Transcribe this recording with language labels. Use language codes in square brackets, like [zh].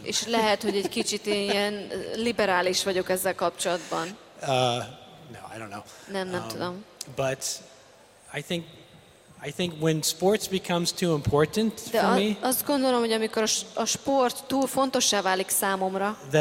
[hu] És lehet, hogy egy kicsit ilyen liberális vagyok ezzel kapcsolatban. [en] No, I don't know. [hu] Nem tudom. [en] But I think when sports becomes too important for me. [hu] Azt gondolom, hogy amikor a sport túl fontossá válik számomra.